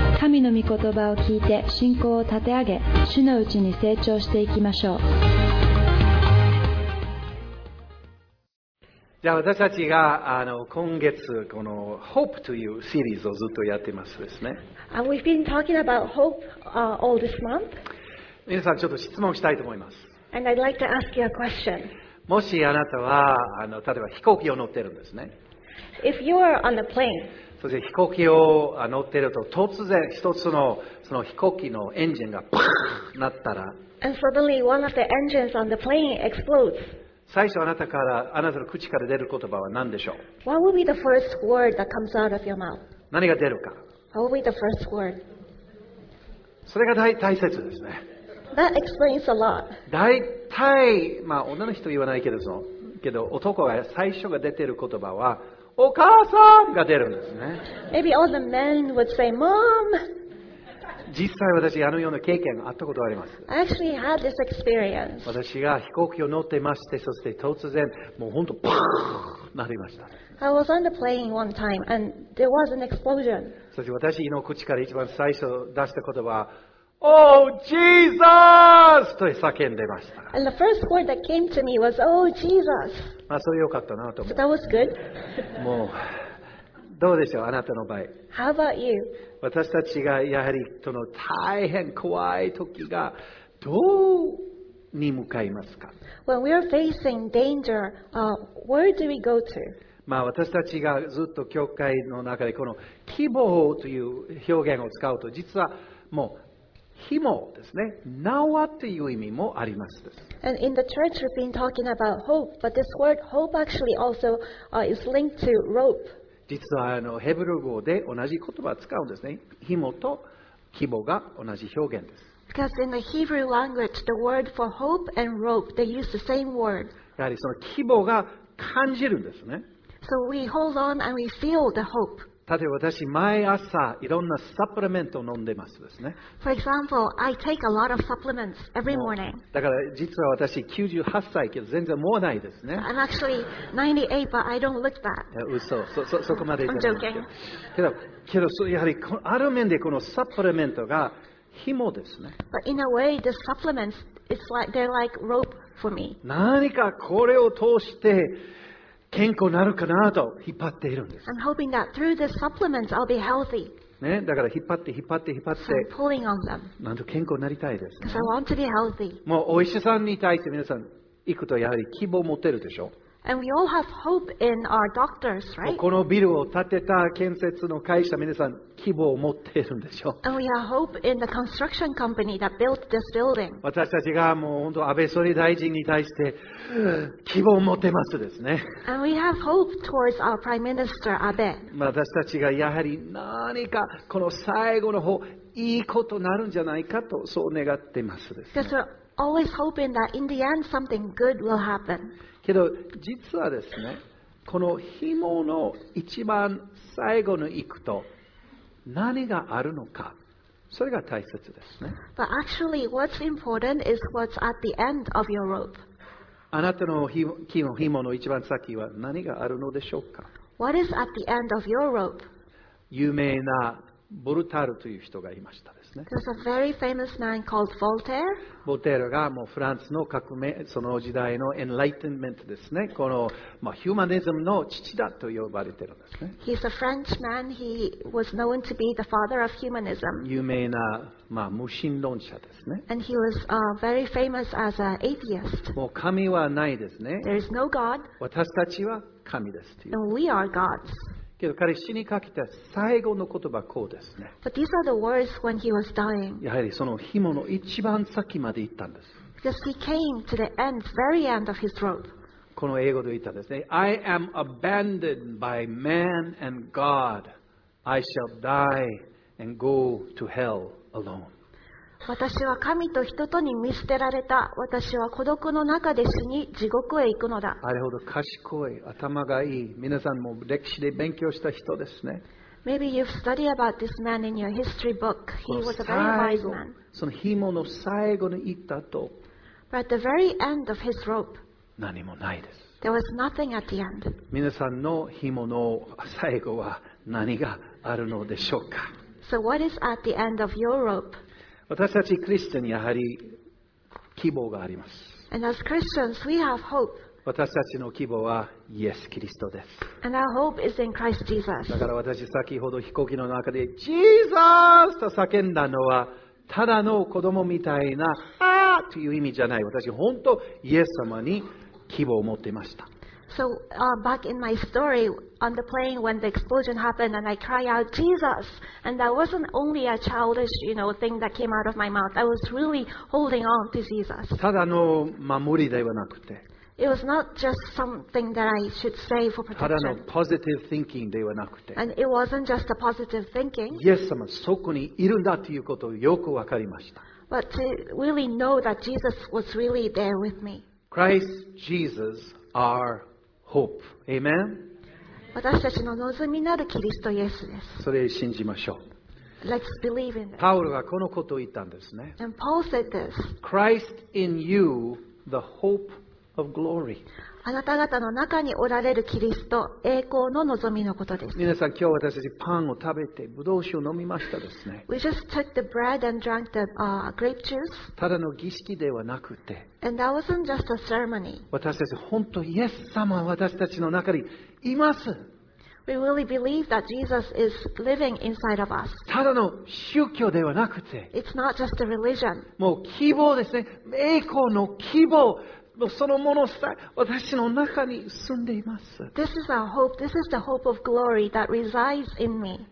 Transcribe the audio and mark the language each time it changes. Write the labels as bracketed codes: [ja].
[ja] 神の御言葉を聞いて信仰を立て上げ、主のうちに成長していきましょう。じゃあ私たちが今月この Hope というシリーズをずっとやってますですね。 [en] And we've been talking about hope all this month. [ja] 皆さんちょっと質問したいと思います。 [en] And I'd like to ask you a question. [ja] もしあなたは例えば飛行機を乗ってるんですね。 [en] If you are on a plane. [ja] そして飛行機を乗ってると突然一つのその飛行機のエンジンがパーンなったら。 [en] And suddenly one of the engines on the plane explodes. [ja] 最初あなたの口から出る言葉は何でしょう？ [en] What would be the first word that comes out of your mouth? [ja] 何が出るか？ [en] What would be the first word? [ja] それが 大切ですね。 [en] That explains a lot. [ja] 大体、まあ女の人は言わないけど、男が最初が出てる言葉は、お母さんが出るんですね。 [en] Maybe all the men would say, Mom! [ja] 実際私ような経験があったことがあります。 [en] I actually had this experience. [ja] 私が飛行機を乗ってまして、そして突然もう本当パーンなりました。 [en] I was on the plane one time and there was an explosion. [ja] そして私の口から一番最初出した言葉は、 [en] Oh Jesus! [ja] と叫んでました。 [en] And the first word that came to me was, Oh Jesus! [ja] まあそれ良かったなと思う。 [en] So that was good. [ja] もうどうでしょう、あなたの場合。 [en] How about you? [ja] 私たちがやはりその大変怖い時がどうに向かいますか。 [en] When we are facing danger, where do we go to? [ja] まあ私たちがずっと教会の中でこの希望という表現を使うと、実はもう紐ですね、縄という意味もあります。 [en] And in the church, we've been talking about hope, but this word hope actually also is linked to rope. [ja] 実はヘブル語で同じ言葉を使うんですね。紐と希望が同じ表現です。 [en] Because in the Hebrew language, the word for hope and rope, they use the same word. [ja] やはりその希望が感じるんですね。 [en] So we hold on and we feel the hope. [ja] 例えば私、毎朝いろんなサプリメントを飲んでますですね。 [en] For example, I take a lot of supplements every morning. [ja] だから実は私98歳けど全然もうないですね。 [en] I'm actually 98, but I don't look that. [ja] 嘘、そこまで [en] I'm joking. [ja] けどそやはりある面でこのサプリメントが紐ですね。 [en] But in a way, the supplements, it's like they're like rope for me. [ja] 何かこれを通して健康になるかなと引っ張っているんです。 [en] I'm hoping that through the supplements I'll be healthy. [ja] ね、だから引っ張って、 [en] So、I'm pulling on them. [ja] なんと健康になりたいです、ね。 [en] Because I want to be healthy. [ja] もうお医者さんに対して皆さん行くとやはり希望を持てるでしょう。 [en] And we all have hope in our doctors, right? [ja] このビルを建てた建設の会社、皆さん希望を持っているんでしょう。 [en] And we have hope in the construction company that built this building. [ja] 私たちがもう本当安倍総理大臣に対して希望を持ってますですね。 [en] And we have hope towards our Prime Minister Abe. [ja] 私たちがやはり何かこの最後の方いいことになるんじゃないかとそう願ってますですね。 [en] Because we're always hoping that in the end something good will happen. [ja] けど実はですね、この紐の一番最後の行くと何があるのか、それが大切ですね。 [en] But actually, what's important is what's at the end of your rope. [ja] あなたの紐の一番先は何があるのでしょうか。 [en] What is at the end of your rope? [ja] 有名なボルタールという人がいましたですね。 [en] There's a very famous man called Voltaire. [ja] ボルタールがもうフランスの革命、その時代のエンライテンメントですね。この、まあ、ヒューマニズムの父だと呼ばれているんですね。 [en] He's a French man. He was known to be the father of humanism. [ja] 有名な、まあ、無神論者ですね。 [en] And he was very famous as an atheist. [ja] もう神はないですね。 [en] There is no God. [ja] 私たちは神ですという。 [en] And we are gods. [ja] けど彼死にかけた最後の言葉はこうですね。 [en] But these are the words when he was dying. [ja] やはりその紐の一番先まで行ったんです。 [en] Because he came to the end, very end of his rope. [ja] この英語で言ったんですね。 [en] I am abandoned by man and God. I shall die and go to hell alone. [ja] 私は神と人とに見捨てられた。私は孤独の中で死に地獄へ行くのだ。あれほど賢い、頭がいい、皆さんも歴史で勉強した人ですね。 [en] Maybe you've studied about this man in your history book. He was a very wise man. [ja] その紐の最後に行った後、 [en] But at the very end of his rope, [ja] 何もないです。 [en] There was nothing at the end. [ja] 皆さんの日々の最後は何があるのでしょうか。 [en] So what is at the end of your rope? [ja] 私たちクリスチャンにやはり希望があります。 [en] And as Christians, we have hope. [ja] 私たちの希望はイエス・キリストです。 [en] And our hope is in Christ Jesus. [ja] だから私、先ほど飛行機の中で、Jesus! と叫んだのは、ただの子供みたいな、ああという意味じゃない。私、本当、イエス様に希望を持っていました。 [en] So, back in my story, on the plane, when the explosion happened, and I cry out, Jesus! And that wasn't only a childish, you know, thing that came out of my mouth. I was really holding on to Jesus. [ja] ただの守りではなくて、 [en] It was not just something that I should say for protection. [ja] ただの positive thinking ではなくて。 [en] And it wasn't just a positive thinking. [ja] イエス様、そこにいるんだということをよくわかりました。 [en] But to really know that Jesus was really there with me. Christ Jesus, our hope. Amen? [ja] 私たちの望みなるキリストイエスです。それを信じましょう。 [en] Let's believe in it. [ja] パウロがこのことを言ったんですね。 [en] And Paul said this. Christ in you, the hope of glory. [ja] あなた方の中におられるキリスト、栄光の望みのことです。皆さん、今日私たちパンを食べて、ブドウ酒を飲みましたですね。 [en] We just took the bread and drank the, grape juice. [ja] ただの儀式ではなくて、 [en] And that wasn't just a ceremony. [ja] 私たち本当、イエス様は私たちの中にいます。 [en] We really believe that Jesus is living inside of us. [ja] ただの宗教ではなくて、 [en] It's not just a religion. [ja] もう希望ですね。栄光の希望。そのものさ、私の中に住んでいます。 [en] This is our hope. This is the hope of glory that resides in me.